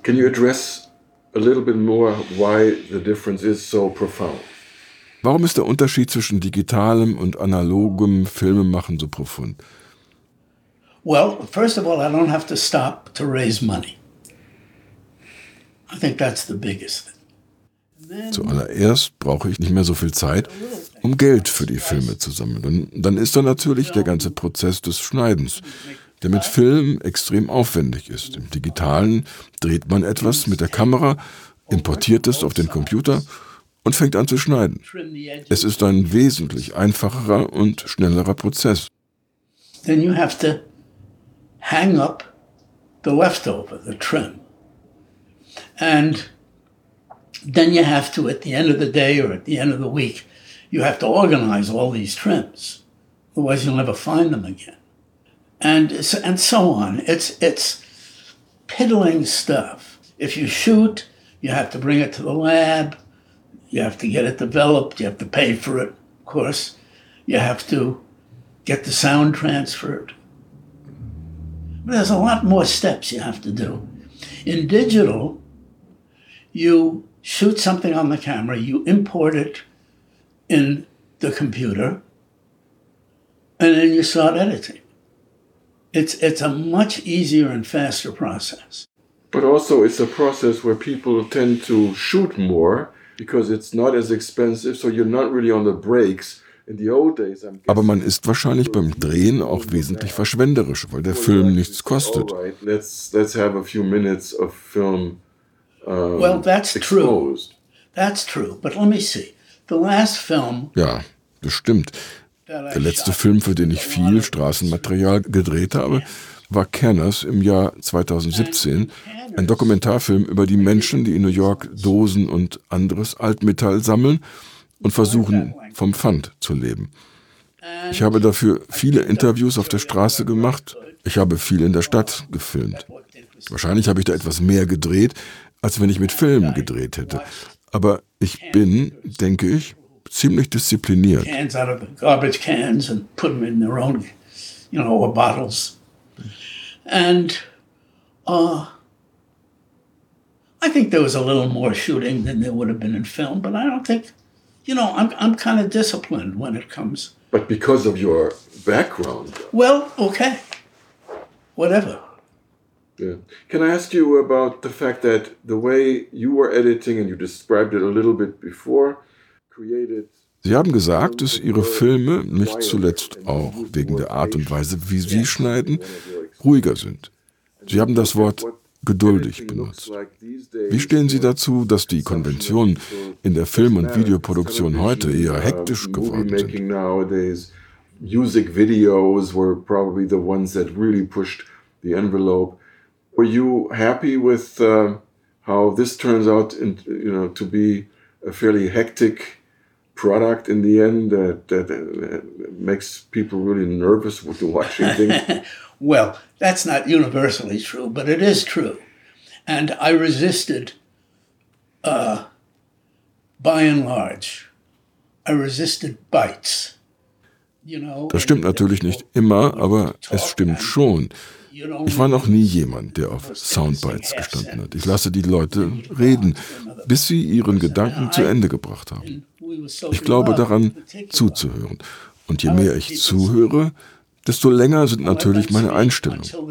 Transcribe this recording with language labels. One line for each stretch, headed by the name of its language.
English: Can you address a little bit more why the difference is so profound?
German: Warum ist der Unterschied zwischen digitalem und analogem Filmemachen so profund?
English: Well, first of all, I don't have to stop to raise money. I think that's the biggest thing.
German: Zuallererst brauche ich nicht mehr so viel Zeit, um Geld für die Filme zu sammeln. Und dann ist da natürlich der ganze Prozess des Schneidens, der mit Film extrem aufwendig ist. Im Digitalen dreht man etwas mit der Kamera, importiert es auf den Computer und fängt an zu schneiden. Es ist ein wesentlich einfacherer und schnellerer Prozess.
English: Then you have to hang up the leftover, the trim. And then you have to, at the end of the day or at the end of the week, you have to organize all these trims. Otherwise, you'll never find them again. And so on. It's piddling stuff. If you shoot, you have to bring it to the lab. You have to get it developed. You have to pay for it, of course. You have to get the sound transferred. But there's a lot more steps you have to do. In digital, you shoot something on the camera, you import it in the computer, and then you start editing. It's a much easier and faster process. But also it's a process where people tend to shoot more because it's not as expensive, so you're not really on the brakes.
German: Aber man ist wahrscheinlich beim Drehen auch wesentlich verschwenderisch, weil der Film nichts kostet.
English: Let's have a few minutes of film. Well, that's true. That's true. But let me see. The last film.
German: Ja, das stimmt. Der letzte Film, für den ich viel Straßenmaterial gedreht habe, war Canners im Jahr 2017. Ein Dokumentarfilm über die Menschen, die in New York Dosen und anderes Altmetall sammeln und versuchen, vom Pfand zu leben. Ich habe dafür viele Interviews auf der Straße gemacht. Ich habe viel in der Stadt gefilmt. Wahrscheinlich habe ich da etwas mehr gedreht, als wenn ich mit Filmen gedreht hätte. Aber ich bin, denke ich, ziemlich diszipliniert.
English: Cans out of the garbage cans and put them in their own, you know, or bottles. And I think there was a little more shooting than there would have been in film, but I don't think, you know, I'm kind of disciplined when it comes. But because of your background. Well, okay. Whatever. Yeah. Can I ask you about the fact that the way you were editing, and you described it a little bit before, created...
German: Sie haben gesagt, dass Ihre Filme, nicht zuletzt auch wegen der Art und Weise, wie Sie schneiden, ruhiger sind. Sie haben das Wort geduldig benutzt. Wie stehen Sie dazu, dass die Konventionen in der Film- und Videoproduktion heute eher hektisch geworden sind?
English: Music videos were probably the ones that really pushed the envelope. Were you happy with how this turns out, in, you know, to be a fairly hectic product in the end that makes people really nervous with the watching thing? Well, that's not universally true, but it is true. And I resisted, by and large, I resisted bites. You know,
German: das stimmt natürlich nicht immer, aber es stimmt schon. Ich war noch nie jemand, der auf Soundbites gestanden hat. Ich lasse die Leute reden, bis sie ihren Gedanken zu Ende gebracht haben. Ich glaube daran, zuzuhören. Und je mehr ich zuhöre, desto länger sind natürlich meine Einstellungen.